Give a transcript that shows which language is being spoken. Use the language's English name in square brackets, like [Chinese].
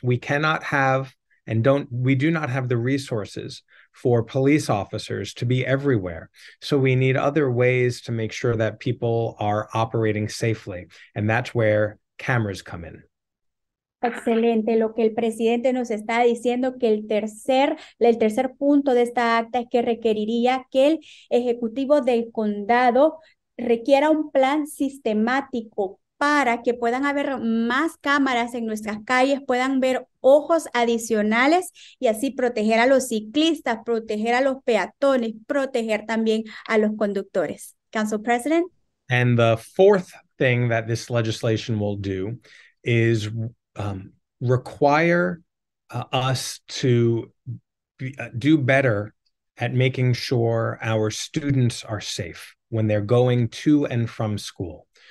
[English] We cannot have, and don't, we do not have the resources for police officers to be everywhere. So we need other ways to make sure that people are operating safely. And that's where cameras come in. [Spanish] Excelente. Lo que el presidente nos está diciendo que el tercer punto de esta acta es que requeriría que el ejecutivo del condado requiera un plan sistemático para que puedan haber más cámaras en nuestras calles, puedan ver ojos adicionales y así proteger a los ciclistas, proteger a los peatones, proteger también a los conductores. [English] Council President. And the fourth thing that this legislation will do is require us to do better at making sure our students are safe when they're going to and from school.